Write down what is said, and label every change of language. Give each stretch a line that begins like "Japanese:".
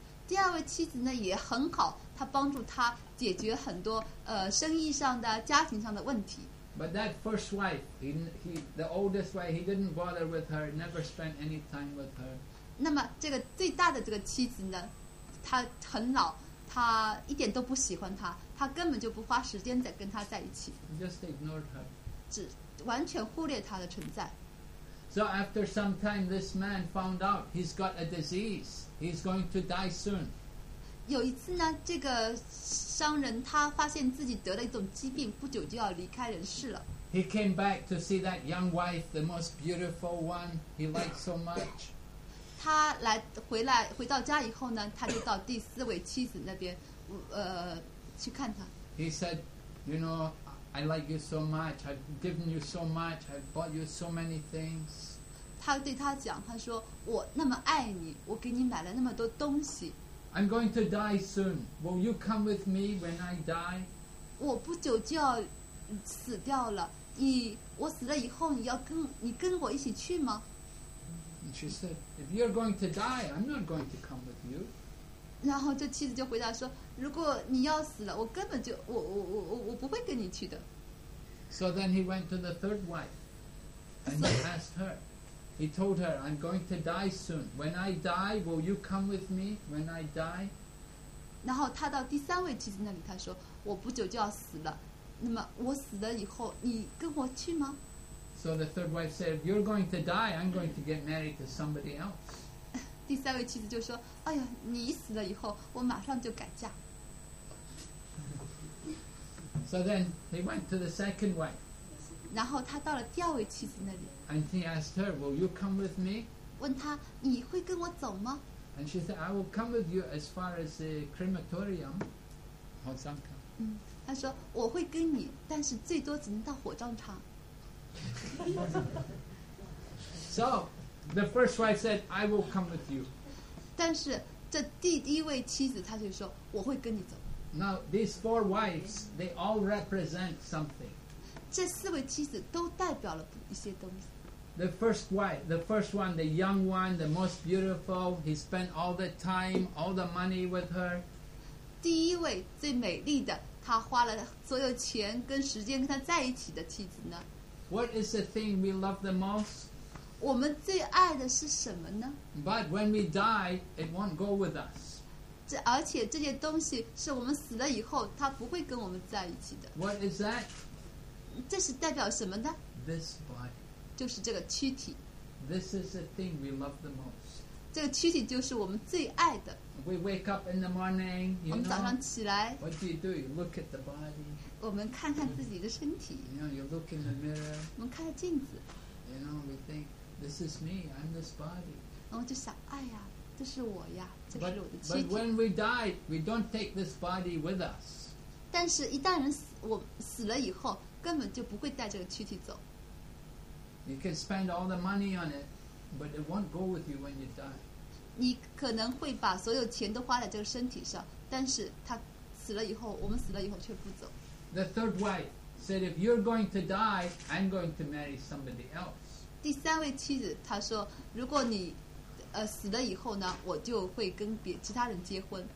Chinese: 第二位妻子呢也很好，他帮助他解决很多生意上的、家庭上的问题。
English: But that first wife, he, the oldest wife, he didn't bother with her, never spent any time with her.
Chinese: 那么这个最大的这个妻子呢，她很老，她一点都不喜欢她，她根本就不花时间在跟她在一起。
English: Just ignored her.
Chinese: 只完全忽略她的存在。
English: So after some time, this man found out he's got a disease. He's going to die soon.
Chinese: 有一次呢，这个商人他发现自己得了一种疾病，不久就要离开人世了。
English: He came back to see that young wife, the most beautiful one he liked so much.
Chinese: 他来回来回到家以后呢，他就到第四位妻子那边，去看她。
English: He said, "You know, I like you so much. I've given you so much. I've bought you so many things."
Chinese: 他对他讲，他说：“我那么爱你，我给你买了那么多东西。”
English: I'm going to die soon. Will you come with me when I die?
Chinese: 我不久就要死掉了。你我死了以后，你要跟你跟我一起去吗？
English: And she said, "If you're going to die, I'm not going to come with you."
Chinese: 然后这妻子就回答说，如果你要死了，我根本就我不会跟你去的。
English: So then he went to the third wife, and he asked her. He told her, "I'm going to die soon. When I die, will you come with me? When I die?"
Chinese: 然后他到第三位妻子那里，他说：“我不久就要死了。那么我死了以后，你跟我去吗？”
English: So the third wife said, "If you're going to die, I'm going to get married to somebody else."
Chinese: 第三位妻子就说：“哎呀，你死了以后，我马上就改嫁。”
English: So then he went to the second wife.
Chinese: 然后他到了第二位妻子那里。
English: And he asked her, "Will you come with me?"
Chinese: 问她，你会跟我走吗？
English: And she said, "I will come with you as far as the crematorium."
Chinese: 火葬场。她说我会跟你，但是最多只能到火葬场。
English: So, the first wife said, "I will come with you."
Chinese: 但是这第一位妻子她就说我会跟你走。
English: Now, these four wives, they all represent something.
Chinese: 这四位妻子都代表了一些东西。
English: The first wife, the first one, the young one, the most beautiful. He spent all the time, all the money with her.
Chinese: 第一位最美丽的，他花了所有钱跟时间跟他在一起的妻子呢？
English: What is the thing we love the most?
Chinese: 我们最爱的是什么呢？
English: But when we die, it won't go with us.
Chinese: 而且这些东西是我们死了以后，他不会跟我们在一起的。
English: What is that?
Chinese: 这是代表什么呢？
English: This body.
Chinese: 就是这个躯体。
English: This is the thing we love the most.
Chinese: 这个躯体就是我们最爱的。
English: We wake up in the morning, you know.
Chinese: 我们早上起来。
English: What do you do? You look at the body.
Chinese: 我们看看自己的身体。
English: You know, you look in the mirror.
Chinese: 我们看看镜子。
English: You know, we think, this is me, I'm this body.
Chinese: 然后就想，哎呀，这是我呀，这是我的躯体。
English: But when we die, we don't take this body with us.
Chinese: 但是一旦人死，我死了以后根本就不会带这个躯体走。
English: You can spend all the money on it, but it won't go with you when you die.
Chinese: 你可能会把所有钱都花在这个身体上，但是他死了以后，我们死了以后却不走。
English: The third wife said, "If you're going to die, I'm going to marry somebody else."
Chinese: 第三位妻子她说，如果你死了以后呢，我就会跟别其他人结婚。